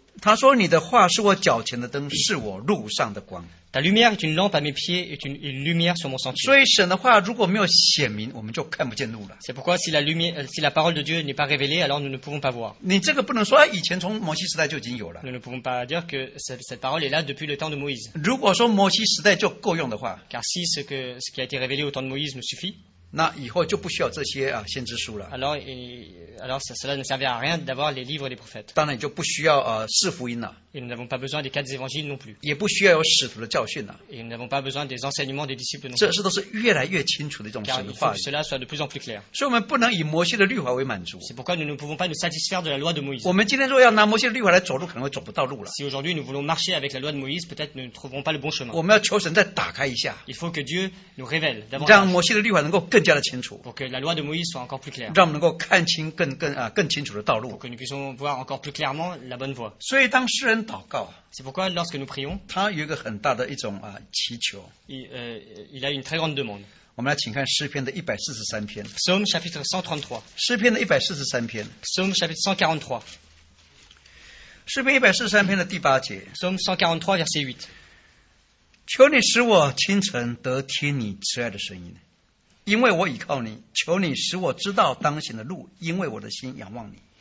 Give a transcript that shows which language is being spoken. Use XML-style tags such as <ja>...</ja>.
<zh>他说：“你的话是我脚前的灯，是我路上的光。”</zh> <fr>La lumière est une lampe à mes pieds et une lumière sur mon sentier.</fr> <zh>所以神的话如果没有显明，我们就看不见路了。</zh> <fr>C'est pourquoi si la parole de Dieu n'est pas révélée, alors nous ne pouvons pas voir.</fr> <zh>你这个不能说以前从摩西时代就已经有了。</zh> <fr>Nous ne pouvons pas dire que cette parole est là depuis le temps de Moïse.</fr> <zh>如果说摩西时代就够用的话，</zh> <fr>car si ce qui a été révélé au temps de Moïse nous suffit,</fr> <zh>那以后就不需要这些先知书了。</zh> <fr>Alors cela ne servait à rien d'avoir les livres des prophètes.</fr> <zh>当然就不需要四福音了。</zh> <fr>Et nous n'avons pas besoin des quatre évangiles non plus.</fr> <zh>也不需要有使徒的教训了。</zh> <fr>Et nous n'avons pas besoin des enseignements des disciples non plus.</fr> <zh>这都是越来越清楚的一种神的话语。</zh> <fr>Car il faut que cela soit de plus en plus clair.</fr> <zh>所以我们不能以摩西的律法为满足。</zh> <fr>C'est pourquoi nous ne pouvons pas nous satisfaire de la loi de Moïse.</fr> <zh>我们今天若要拿摩西的律法来走路，可能会走不到路了。</zh> <fr>Si aujourd'hui nous voulons marcher avec la loi de Moïse, peut-être nous ne trouverons pas le bon chemin.</fr> <zh>我们要求神再打开一下。</zh> <fr>Il faut que Dieu nous révèle davantage.</fr> <zh>让摩西的律法能够更加的清楚。</zh> <fr>Pour que la loi de Moïse soit encore plus claire.</fr> <zh>让我们能够看清更清楚的道路。</zh> <fr>Pour que nous puissions voir encore plus clairement la bonne voie.</fr> <zh>所以当世人祷告</zh> <fr>C'est pourquoi lorsque nous prions,</fr> <zh>他有一个很大的一种祈求</zh> <fr>il a une très grande demande.</fr> <zh>我们来请看诗篇的143篇</zh> <fr>Psaume chapitre 133</fr> <zh>诗篇的143篇</zh> <fr>Psaume chapitre 143</fr> <zh>诗篇143篇的第八节</zh> <fr>Psaume 143 verset 8</fr> <zh>求你使我清晨得听你慈爱的声音因为我倚靠你求你使我知道当行的路因为我的心仰望你</zh>